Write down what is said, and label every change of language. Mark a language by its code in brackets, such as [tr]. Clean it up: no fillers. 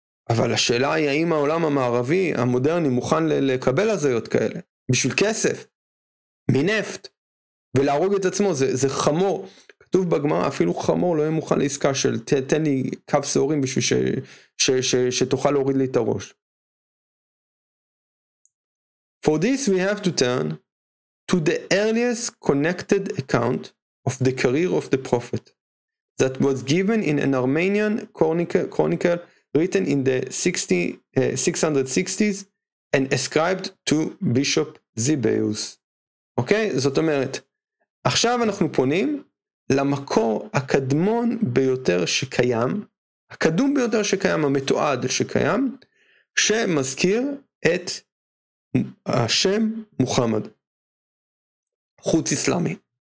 [he] אבל השאלה היא, האם העולם המערבי, המודרני, מוכן לקבל הזיות כאלה? בשביל כסף? מנפט? ולהרוג את עצמו? זה חמור. כתוב בגמרא, אפילו חמור לא יהיה מוכן לעסקה של תן לי קו סעורים בשביל שתוכל להוריד לי את הראש. [en] For this we have to turn to the earliest connected account of the career of the prophet that was given in an Armenian chronicle written in the 660s and ascribed to Bishop Zibeus. [he] אוקיי? זאת אומרת, עכשיו אנחנו פונים למקור הקדמון ביותר שקיים, הקדום ביותר שקיים, המתועד שקיים, שמזכיר את השם מוחמד. חוץ אסלאמי.